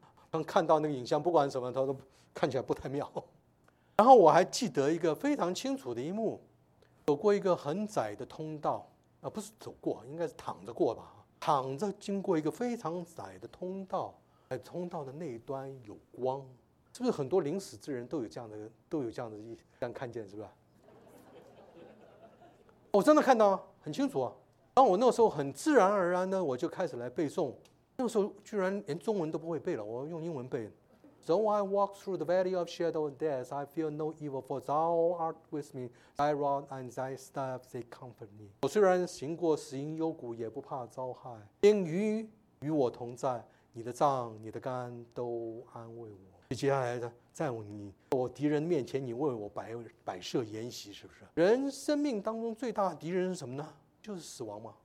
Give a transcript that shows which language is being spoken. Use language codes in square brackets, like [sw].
[zh] 刚看到那个影像不管什么他都看起来不太妙。然后我还记得一个非常清楚的一幕，走过一个很窄的通道，不是走过，应该是躺着过吧，躺着经过一个非常窄的通道，在通道的那一端有光，是不是很多临死之人都有这样的，这样看见，是不是？我真的看到很清楚啊。然后我那时候很自然而然的我就开始来背诵，那个时候居然连中文都不会背了，我用英文背。 [en] Though I walk through the valley of shadow and death, I feel no evil, for thou art with me. Thy rod and thy staff, they comfort me. [zh] 我虽然行过死荫幽谷，也不怕遭害。因鱼与我同在，你的杖、你的竿都安慰我。接下来在我敌人面前，你为我摆设筵席，是不是？人生命当中最大的敌人是什么呢？就是死亡嘛。